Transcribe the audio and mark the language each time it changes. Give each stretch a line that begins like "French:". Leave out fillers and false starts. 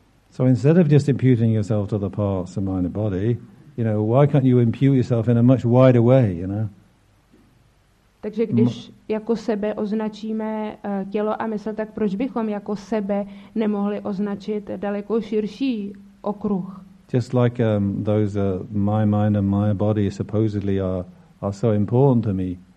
English: So instead of just imputing yourself to the parts of mind and body, you know, why can't you impute yourself in a much wider way, you know?
Czech: Takže když jako sebe označíme tělo a mysl, tak proč bychom jako sebe nemohli označit daleko širší okruh?
English: Just like those my mind and my body supposedly are so important to me.